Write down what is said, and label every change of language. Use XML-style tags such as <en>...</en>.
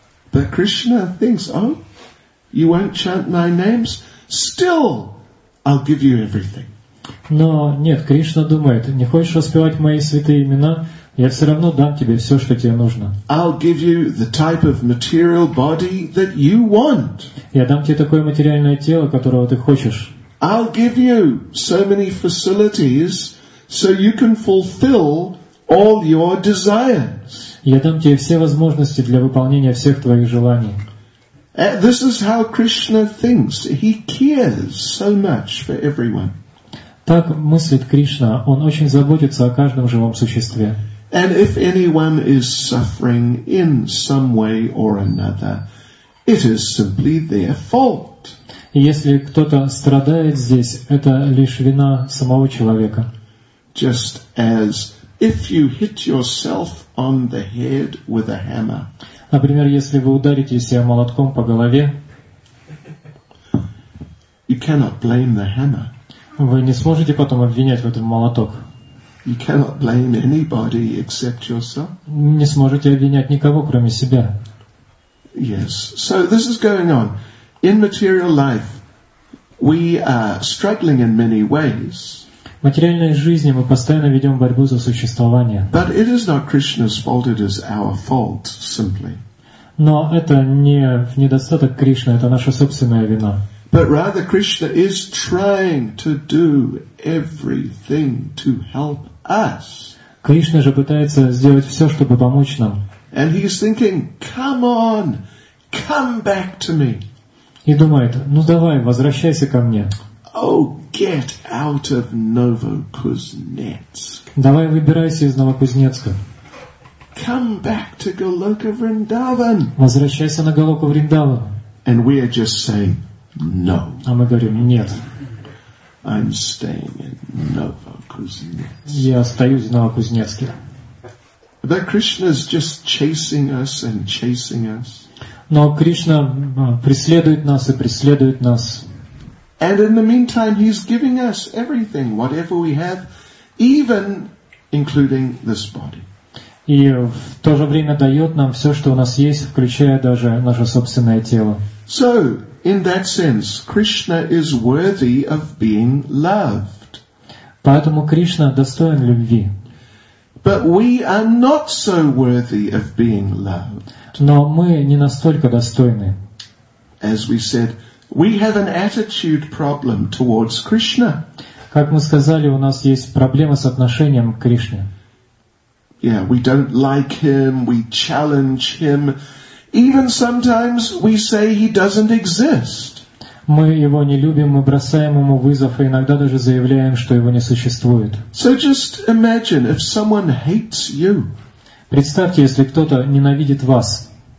<en>But Krishna thinks, oh, you won't chant my names. Still, I'll give you everything.</en> <ru>Но нет, Кришна думает, не хочешь воспевать мои святые имена? Я все равно дам тебе все, что тебе нужно.</ru> <en>I'll give you the type of material body that you want.</en> <ru>Я дам тебе такое материальное тело, которого ты хочешь.</ru> <en>I'll give you so many facilities so you can fulfill all your desires.</en> <ru>Я дам тебе все возможности для выполнения всех твоих желаний.</ru> <en>This is how Krishna thinks. He cares so much for everyone.</en> <ru>Так мыслит Кришна. Он очень заботится о каждом живом существе.</ru> <en>And if anyone is suffering in some way or another, it is simply their fault.</en> <ru>Если кто-то страдает здесь, это лишь вина самого человека.</ru> <en>Just as if you hit yourself on the head with a hammer.</en> <ru>Например, если вы ударите себя молотком по голове,</ru> <en>you cannot blame the hammer.</en> <ru>Вы не сможете потом обвинять в этом молоток.</ru> <en>You cannot blame anybody except yourself.</en> <ru>Не сможете обвинять никого, кроме себя.</ru> <en>Yes. So this is going on. In material life, we are struggling in many ways.</en> <ru>В материальной жизни мы постоянно ведем борьбу за существование.</ru> <en>But it is not Krishna's fault, it is our fault, simply.</en> <ru>Но это не в недостаток Кришны, это наша собственная вина.</ru> <en>But rather Krishna is trying to do everything to help us.</en> <ru>Кришна же пытается сделать все, чтобы помочь нам.</ru> <en>And he's thinking, come on, come back to me.</en> <ru>И думает, ну давай, возвращайся ко мне.</ru> <en>Oh, get out of Novokuznetsk.</en> <ru>Давай выбирайся из Новокузнецка.</ru> <en>Come back to Goloka Vrindavan.</en> <ru>Возвращайся на Голоку Вриндаван.</ru> <en>And we are just saying, no.</en> <ru>А мы говорим, нет.</ru> <en>I'm staying in Novokuznetsk.</en> <ru>Я остаюсь в Новокузнецке.</ru> <en>But Krishna's just chasing us and chasing us.</en> <ru>Но Кришна преследует нас и преследует нас.</ru> <en>And in the meantime, he's giving us everything, whatever we have, even including this body.</en> <ru>И в то же время дает нам все, что у нас есть, включая даже наше собственное тело.</ru> <en>So, in that sense, Krishna is worthy of being loved.</en> <ru>Поэтому Кришна достоин любви.</ru> <en>But we are not so worthy of being loved.</en> <ru>Но мы не настолько достойны.</ru> <en>As we said, we have an attitude problem towards Krishna.</en> <ru>Как мы сказали, у нас есть проблема с отношением к Кришне.</ru> <en>Yeah, we don't like him, we challenge him. Even sometimes we say he doesn't exist.</en> <ru>Мы его не любим, мы бросаем ему вызов, и иногда даже заявляем, что его не существует.</ru> <en>So just imagine if someone hates you.</en> <ru>Представьте, если кто-то ненавидит вас.</ru>